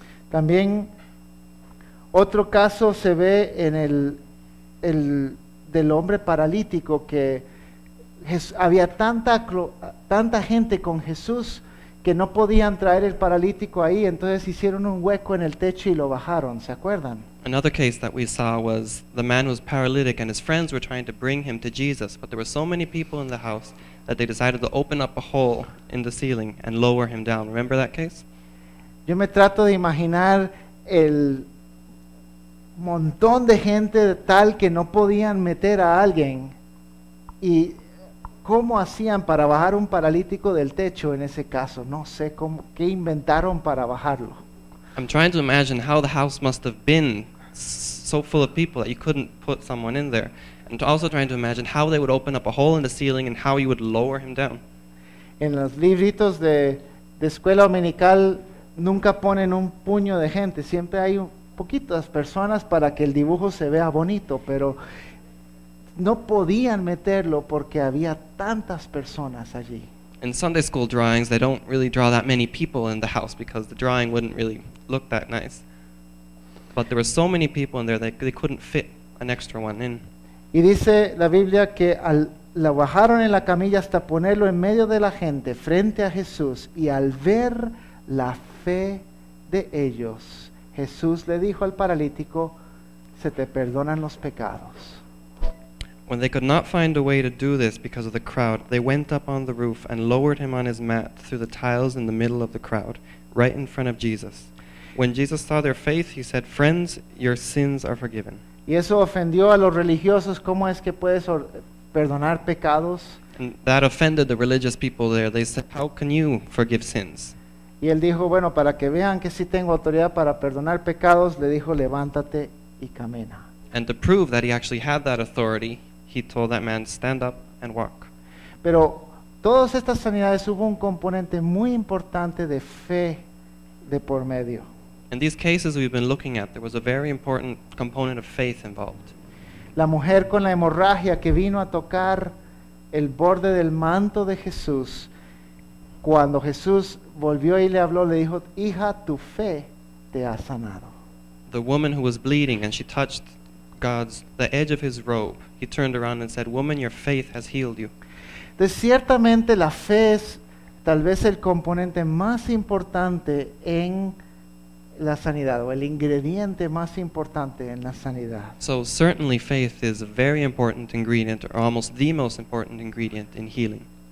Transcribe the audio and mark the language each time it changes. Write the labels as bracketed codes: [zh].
[es] También otro caso se ve en el del hombre paralítico que había tanta gente con Jesús que no podían traer el paralítico ahí, entonces hicieron un hueco en el techo y lo bajaron, ¿se acuerdan? [en] Another case that we saw was the man was paralytic and his friends were trying to bring him to Jesus, but there were so many people in the house that they decided to open up a hole in the ceiling and lower him down. Remember that case? [es] Yo me trato de imaginar el montón de gente tal que no podían meter a alguien y cómo hacían para bajar un paralítico del techo en ese caso. No sé cómo, qué inventaron para bajarlo. [en] I'm trying to imagine how the house must have been so full of people that you couldn't put someone in there. And also trying to imagine how they would open up a hole in the ceiling and how you would lower him down. [es] En los libritos de escuela dominical nunca ponen un puño de gente. Siempre hay poquitas personas para que el dibujo se vea bonito, pero no podían meterlo porque había tantas personas allí. [en] In Sunday school drawings, they don't really draw that many people in the house because the drawing wouldn't really look that nice. But there were so many people in there that they couldn't fit an extra one in. [es] Y dice la Biblia que la bajaron en la camilla hasta ponerlo en medio de la gente, frente a Jesús, y al ver la fe de ellos, Jesús le dijo al paralítico, se te perdonan los pecados. [en] When they could not find a way to do this because of the crowd, they went up on the roof and lowered him on his mat through the tiles in the middle of the crowd, right in front of Jesus. When Jesus saw their faith, he said, friends, your sins are forgiven. [es] Y eso ofendió a los religiosos, ¿cómo es que puedes perdonar pecados? [en] And that offended the religious people there. They said, how can you forgive sins? [es] Y él dijo, bueno, para que vean que sí tengo autoridad para perdonar pecados, le dijo, levántate y camina. [en] And to prove that he actually had that authority, he told that man, stand up and walk. [es] Pero todas estas sanidades hubo un componente muy importante de fe de por medio. [en] In these cases we've been looking at, there was a very important component of faith involved. [es] La mujer con la hemorragia que vino a tocar el borde del manto de Jesús, cuando Jesús volvió y le habló, le dijo, hija, tu fe te ha sanado. [en] The woman who was bleeding and she touched the edge of his robe, he turned around and said, woman, your faith has healed you. [es] De ciertamente la fe es tal vez el componente más importante en la sanidad, o el ingrediente más importante en la sanidad. [en] So certainly faith is a very important ingredient, or almost the most important ingredient in healing.